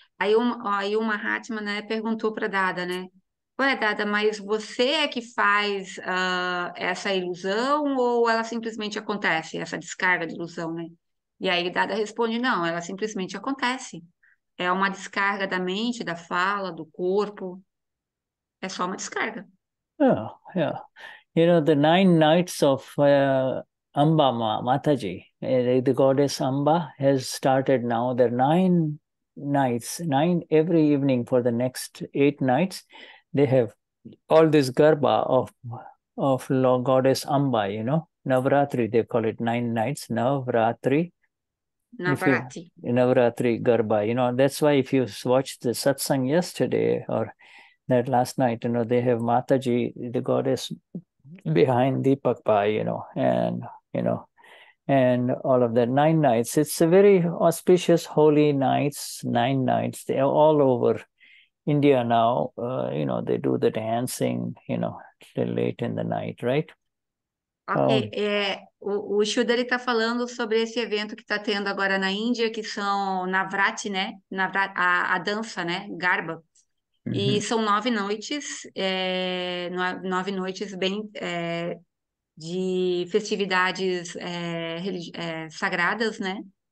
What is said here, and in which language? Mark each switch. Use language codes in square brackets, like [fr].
[pt] aí, aí o Mahatma, né, perguntou para Dada, né? Ué, Dada, mas você é que faz essa ilusão ou ela simplesmente acontece, essa descarga de ilusão, né? E aí Dada responde, não, ela simplesmente acontece. É uma descarga da mente, da fala, do corpo. É só uma descarga. [en] Oh, yeah. You know, the nine nights of Amba Mataji, the goddess Amba, has started now. There are nine nights, nine every evening for the next 8 nights. They have all this garba of Lord goddess Amba, you know. Navratri, they call it 9 nights. Navratri, if you, Navrati. Navratri garba, you know. That's why if you watch the satsang yesterday or that last night, you know, they have Mataji, the goddess, behind Deepak Pai, you know, and you know, and all of that 9 nights. It's a very auspicious holy nights, 9 nights. They are all over India now. You know, they do the dancing, you know, till late in the night, right? [pt] Ok, o Shuddha ele está falando sobre esse evento que está tendo agora na Índia, que são Navrati, né? A dança, né? Garba. E são 9 noites, 9 noites bem de festividades sagradas, né?